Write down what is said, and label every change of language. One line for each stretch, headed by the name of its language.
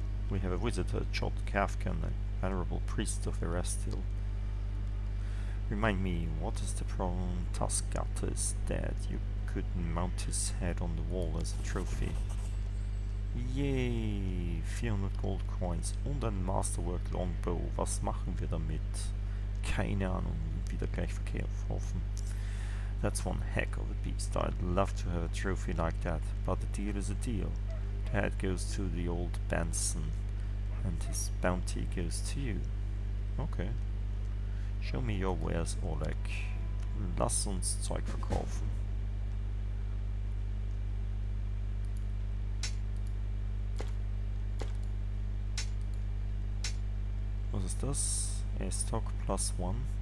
English: We have a visitor, Jod Kafkan, a venerable priest of Erastil. Remind me, what is the problem? Tuskata is dead. You could mount his head on the wall as a trophy. Yay! 400 gold coins
German: und ein Masterwork Longbow. Was machen wir damit? Keine Ahnung. Wieder gleich verkaufen.
English: That's one heck of a beast. I'd love to have a trophy like that. But the deal is a deal. The head goes to the old Benson. And his bounty goes to you. Okay. Show me your wares, Oleg.
German: Lass uns Zeug verkaufen. Was ist das? S-Talk plus 1.